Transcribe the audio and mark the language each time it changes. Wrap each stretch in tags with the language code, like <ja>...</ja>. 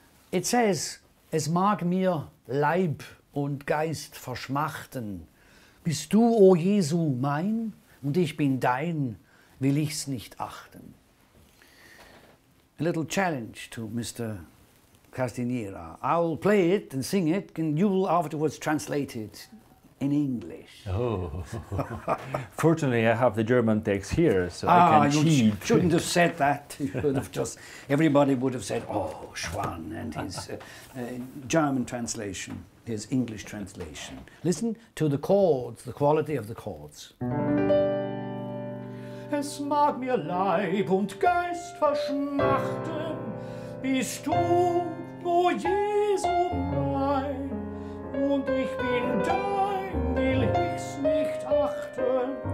<en>It says,</en> <de>es mag mir Leib und Geist verschmachten. Bist du, o Jesu, mein? Und ich bin dein, will ich's nicht achten.</de> <en>A little challenge to Mr. Castiñeira. I'll play it and sing it, and you will afterwards translate it in English. Oh, fortunately I have the German text here, so ah, I can cheat. You shouldn't have said that. You would have just, everybody would have said, oh, Xoán and his German translation, his English translation. Listen to the chords, the quality of the chords.</en> <de>Es mag mir Leib und Geist verschmachten, bist du O Jesu mein, und ich bin dein, will ich's nicht achten.</de>